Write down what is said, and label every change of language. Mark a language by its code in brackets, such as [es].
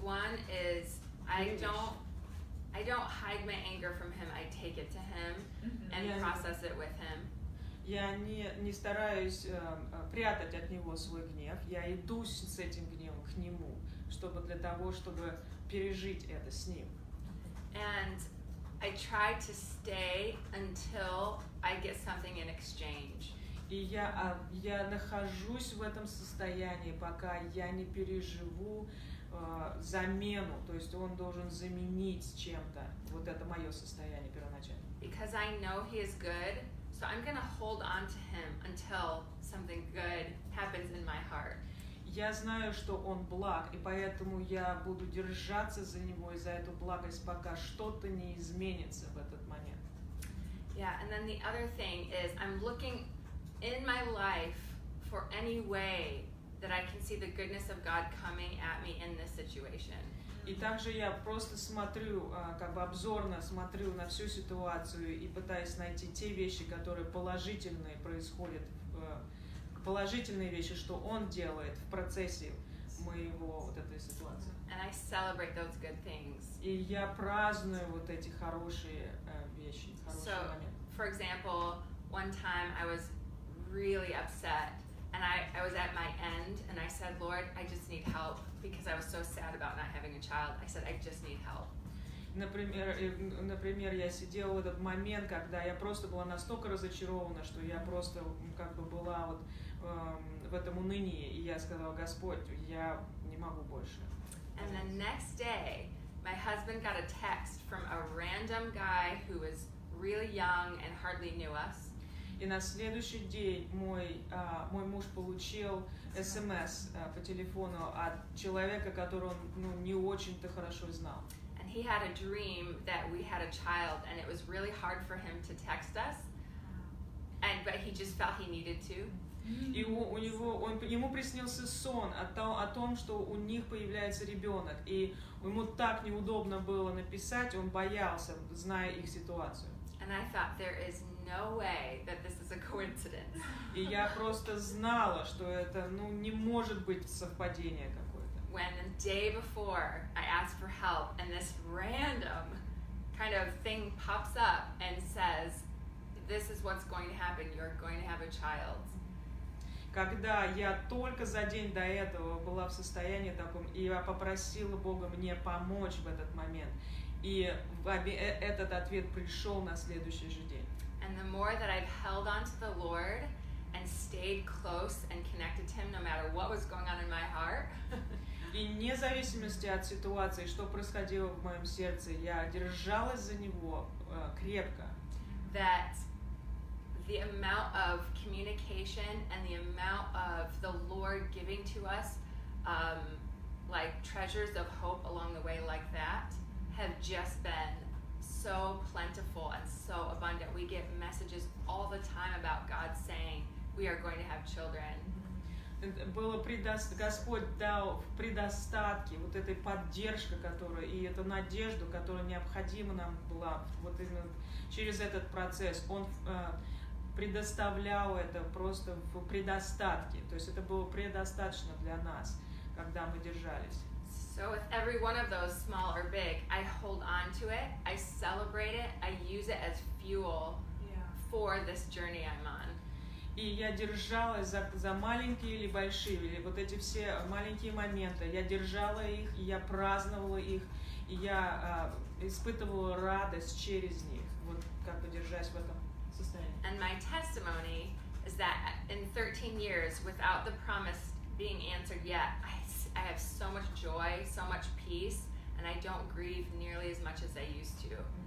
[en] One is I don't hide my anger from him. I take it to him and process it with him. [ru] Я не стараюсь прятать от него свой гнев. Я иду с этим гневом к нему, чтобы для того, чтобы пережить это с ним. [en] And I try to stay until I get something in exchange. [ru] И я нахожусь в этом состоянии, пока я не переживу замену, то есть он должен заменить чем-то вот это мое состояние первоначально. [en] Because I know he is good, so I'm gonna hold on to him until something good happens in my heart. [ru] Я знаю, что он благ, и поэтому я буду держаться за него и за эту благость, пока что-то не изменится в этот момент. [en] Yeah, and then the other thing is I'm looking in my life for any way that I can see the goodness of God coming at me in this situation. [ru] И также я просто смотрю, как бы обзорно смотрю на всю ситуацию и пытаюсь найти те вещи, которые положительные происходят, положительные вещи, что он делает в процессе моего вот этой ситуации. [en] And I celebrate those good things. [ru] И я праздную вот эти хорошие вещи, хорошие моменты. [en] So, for example, one time I was really upset. And I was at my end, and I said, Lord, I just need help, because I was so sad about not having a child. I said, I just need help. [ru] Например, я сидела в этот момент, когда я просто была настолько разочарована, что я просто как бы была вот в этом унынии, и я сказала, Господь, я не могу больше. [en] And the next day, my husband got a text from a random guy who was really young and hardly knew us. [ru] И на следующий день мой муж получил СМС по телефону от человека, которого он, ну, не очень-то хорошо знал. [en] And he had a dream that we had a child, and it was really hard for him to text us, but he just felt he needed to. [ru] И ему приснился сон о том, что у них появляется ребенок, и ему так неудобно было написать, он боялся, зная их ситуацию. [en] And I thought, there is no way that this is a coincidence. [ru] И я просто знала, что это, ну, не может быть совпадение какое-то. [en] When the day before I asked for help, and this random kind of thing pops up and says, this is what's going to happen, you're going to have a child. [ru] Когда я только за день до этого была в состоянии таком, и я попросила Бога мне помочь в этот момент, и этот ответ пришел на следующий же день. [en] And the more that I've held on to the Lord and stayed close and connected to Him, no matter what was going on in my heart. [ru] И вне зависимости от ситуации, что происходило в моем сердце, я держалась за Него крепко. [en] That the amount of communication and the amount of the Lord giving to us like treasures of hope along the way like that have just been so plentiful and so abundant. We get messages all the time about God saying we are going to have children. [ru] Было предаст, Господь дал в предостатке вот этой поддержки, которая, и эту надежду, которая необходима нам была вот именно через этот процесс. Он предоставлял это просто в предостатке. То есть это было предостаточно для нас, когда мы держались. [en] So with every one of those, small or big, I hold on to it, I celebrate it, I use it as fuel for this journey I'm on. [ru] И я держалась за маленькие или большие, или вот эти все маленькие моменты. Я держала их, и я праздновала их, и я испытывала радость через них, вот как бы держась в этом состоянии. [en] And my testimony is that in 13 years, without the promise being answered yet, I have so much joy, so much peace, and I don't grieve nearly as much as I used to.